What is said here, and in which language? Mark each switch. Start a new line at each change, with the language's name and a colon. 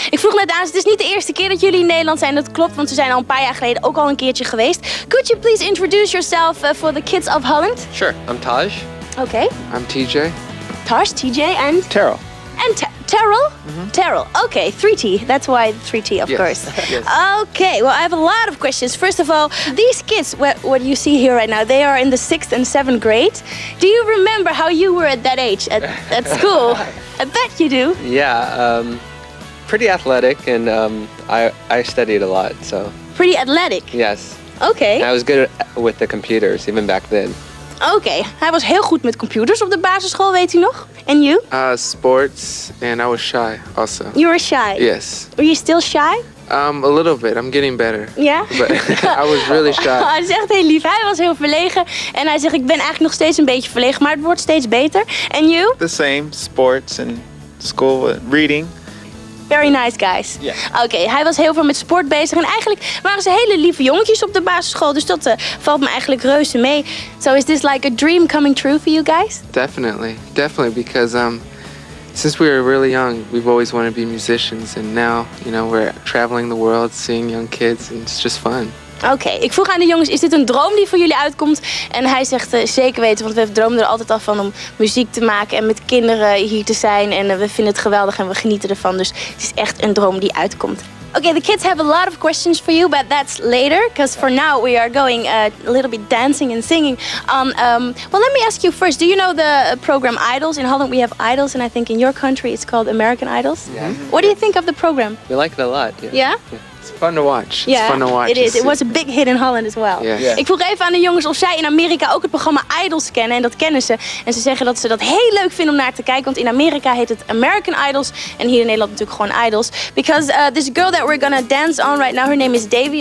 Dutch: Ik vroeg net aan, het is niet de eerste keer dat jullie in Nederland zijn. Dat klopt, want ze zijn al een paar jaar geleden ook al een keertje geweest.
English: Could you please introduce yourself for the kids of Holland? Sure. I'm Taj. Okay. I'm TJ. Taj, TJ, and? Terrell. And Terrell? Mm-hmm. Terrell. Okay, 3T. That's why 3T, of course. Yes. Okay, well, I have a lot of questions. First of all, these kids, what you see here right now, they are in the 6th and 7th grade. Do you remember how you were at that age at school? I bet you do. Yeah, pretty athletic, and I studied a lot, so. Pretty athletic? Yes. Okay. And I was good with the computers, even back then.
Dutch: Okay, hij was heel goed met computers op de basisschool, weet u nog?
English: And you? Sports, and I was shy also. You were shy? Yes. Were you still shy? A little bit, I'm getting better. Yeah? But I was really shy.
Dutch: Hij is echt heel lief, hij was heel verlegen. En hij zegt, ik ben eigenlijk nog steeds een beetje verlegen, maar het wordt steeds beter.
English: And you? The same, sports and school, reading. Very nice guys. Yeah.
Dutch: Okay, hij was heel veel met sport bezig. En eigenlijk waren ze hele lieve jongetjes op de basisschool. Dus dat valt me eigenlijk reuze mee.
English: So is this like a dream coming true for you guys? Definitely. Definitely. Because since we were really young, we've always wanted to be musicians. And now, you know, we're traveling the world, seeing young kids. And it's just fun.
Dutch: Okay, ik vroeg aan de jongens, is dit een droom die voor jullie uitkomt? En hij zegt, zeker weten, want we droomden er altijd al van om muziek te maken en met kinderen hier te zijn. En we vinden het geweldig en we genieten ervan, dus het is echt een droom die uitkomt.
English: Okay, the kids have a lot of questions for you, but that's later, because for now we are going a little bit dancing and singing. Well, let me ask you first, do you know the program Idols? In Holland we have Idols, and I think in your country it's called American Idols. Yeah. What do you think of the program? We like it a lot. Yeah? Fun to watch. It's fun to watch. It was a big hit in Holland as well. Yeah.
Dutch: Ik vroeg even aan de jongens of zij in Amerika ook het programma Idols kennen. En dat kennen ze. En ze zeggen dat ze dat heel leuk vinden om naar te kijken. Want in Amerika heet het American Idols. En hier in Nederland natuurlijk gewoon Idols.
English: Because this girl that we're gonna dance on right now, her name is Davy.